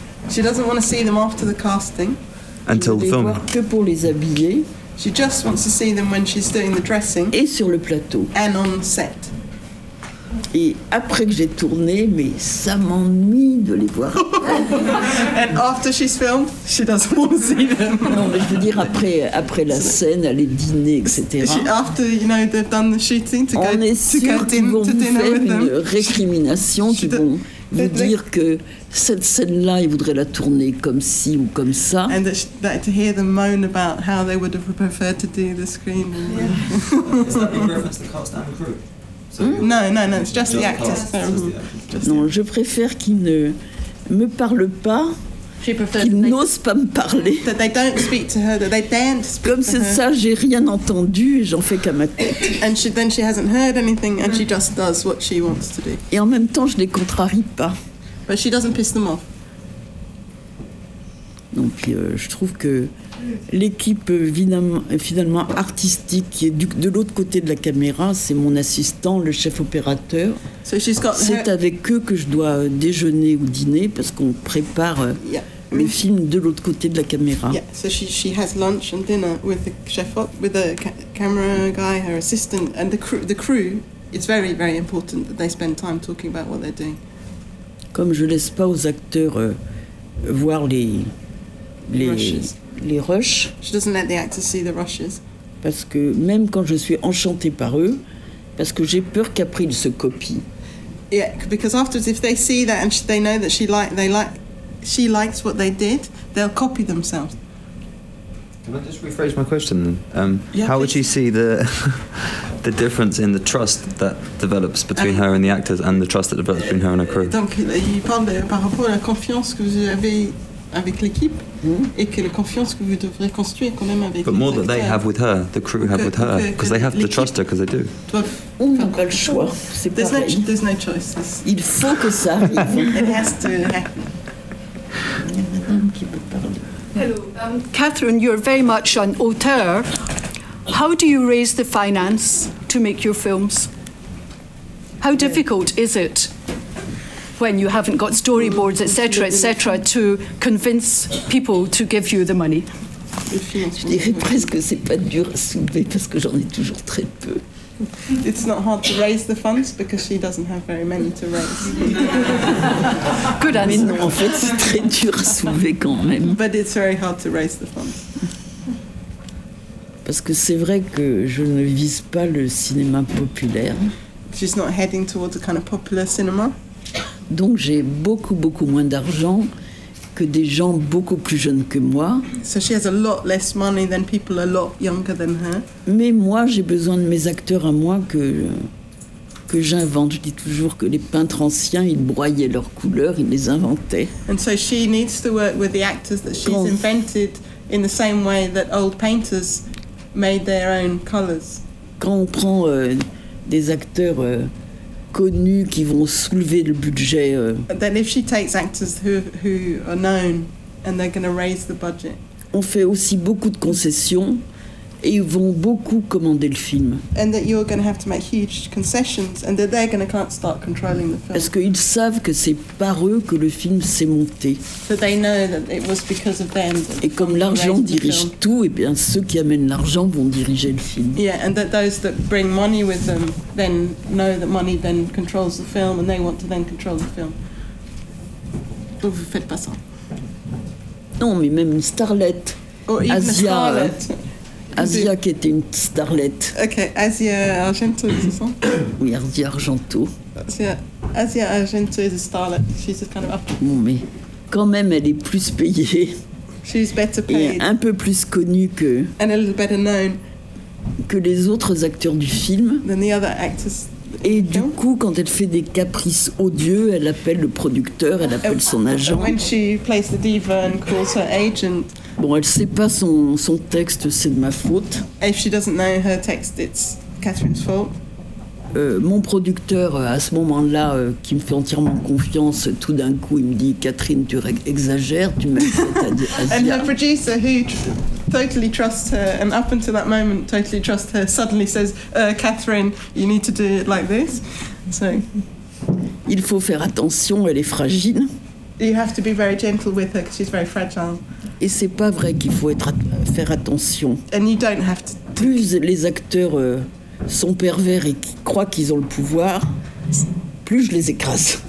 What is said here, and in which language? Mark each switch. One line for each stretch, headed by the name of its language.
English: she doesn't want to see them after the casting. Until the film.
French: Que pour les habiller.
English: She just wants to see them when she's doing the dressing.
French: Et sur le plateau.
English: And on set.
French: Et après que j'ai tourné, mais ça m'ennuie de les voir.
English: And after she's filmed, she doesn't want to see them.
French: Non, mais je veux dire après la scène, aller dîner, etc.
English: After, you know, they've done the shooting to go
French: on est sûr qu'ils vont
English: to
French: vous faire une
English: them.
French: Récrimination, qu'ils vont vous dire que cette scène-là, ils voudraient la tourner comme ci ou comme ça.
English: And that to hear them moan about how they would have preferred to do the screen. Is that in reference to cast and crew? So no, it's just the actors.
French: Non, je préfère qu'ils ne me parlent pas qu'ils n'osent pas me parler.
English: That they don't speak to her, that they daren't speak
French: comme
English: to
French: c'est
English: her.
French: Ça, j'ai rien entendu, j'en fais qu'à ma tête.
English: And she, then she hasn't heard anything, and she just does what she wants to do.
French: Et en même temps, je les contrarie pas.
English: But she doesn't piss them off.
French: Donc, je trouve que l'équipe finalement artistique qui est de l'autre côté de la caméra, c'est mon assistant, le chef opérateur.
English: So she's got
French: c'est
English: her...
French: avec eux que je dois déjeuner ou dîner parce qu'on prépare le film de l'autre côté de la caméra.
English: Yeah. So she has lunch and dinner with the chef op, with the camera guy, her assistant, and the crew. It's very, very important that they spend time talking about what they're doing. Comme je laisse pas aux acteurs voir les rushes. She doesn't let the actors see the rushes. Parce que même quand je suis enchantée par eux, parce que j'ai peur qu'après ils se copient. Yeah, because afterwards, if they see that and they know that she likes what they did, they'll copy themselves. Can I just rephrase my question then? How would you see the the difference in the trust that develops between her and the actors, and the trust that develops between her and her crew?
French: Donc, il parle de, par rapport à la confiance que vous avez avec l'équipe, et que la confiance que vous devrez construire quand même avec l'équipe.
English: But more that they have with her, the crew have with her, because they have to trust her, because they do.
French: On n'a pas le choix, c'est pareil.
English: There's no choice.
French: Il faut que ça arrive.
English: It has to happen. Hello, Catherine, you're very much an auteur. How do you raise the finance to make your films? How difficult is it when you haven't got storyboards, etc., to convince people to give you the money?
French: Je dirais presque c'est pas dur à soulever parce que j'en ai toujours très peu.
English: It's not hard to raise the funds because she doesn't have very many to raise. Good answer.
French: Mais non, en fait, c'est très dur à soulever quand même.
English: But it's very hard to raise the funds.
French: Parce que c'est vrai que je ne vise pas le cinéma populaire.
English: She's not heading towards a kind of popular cinema.
French: Donc j'ai beaucoup, beaucoup moins d'argent que des gens beaucoup plus jeunes que moi.
English: So she has a lot less money than people a lot younger than her.
French: Mais moi, j'ai besoin de mes acteurs à moi que j'invente. Je dis toujours que les peintres anciens, ils broyaient leurs couleurs, ils les inventaient.
English: And so she needs to work with the actors that she's invented in the same way that old painters made their own colors.
French: Quand on prend des acteurs connus qui vont soulever le budget.
English: Then if she takes actors who are known and they're going to raise the budget.
French: On fait aussi beaucoup de concessions et ils vont beaucoup commander le film.
English: And that you're going to have to make huge concessions and that they're going to start controlling the film.
French: Parce qu'ils savent que c'est par eux que le film s'est monté.
English: So they know that it was because of them.
French: Et comme l'argent dirige tout, et bien ceux qui amènent l'argent vont diriger le film.
English: Yeah, and that those that bring money with them then know that money then controls the film and they want to then control the film.
French: Donc vous faites pas ça. Non, mais même une starlette.
English: Or even Asia, a starlet.
French: Asia qui était une starlette. Ok, Asia Argento, c'est ça? Oui, Asia Argento.
English: Asia Argento is a starlet. She's a kind of up.
French: Bon, mais quand même, elle est plus payée.
English: She's better paid.
French: Et un peu plus connue que...
English: And a little better known.
French: Que les autres acteurs du film.
English: Than the other actors.
French: Et du coup, quand elle fait des caprices odieux, elle appelle le producteur, elle appelle son agent.
English: When she plays the diva and calls her agent...
French: Bon, elle sait pas son texte, c'est de ma faute.
English: If she doesn't know her text, it's Catherine's fault.
French: Mon producteur, à ce moment-là, qui me fait entièrement confiance, tout d'un coup, il me dit, Catherine, tu exagères, tu mets à dire.
English: And her producer, who totally trusts her, and up until that moment, totally trusts her, suddenly says, Catherine, you need to do it like this. So.
French: Il faut faire attention, elle est fragile.
English: You have to be very gentle with her, because she's very fragile.
French: Et c'est pas vrai qu'il faut faire attention.
English: And you don't have to.
French: Plus les acteurs sont pervers et croient qu'ils ont le pouvoir, plus je les écrase.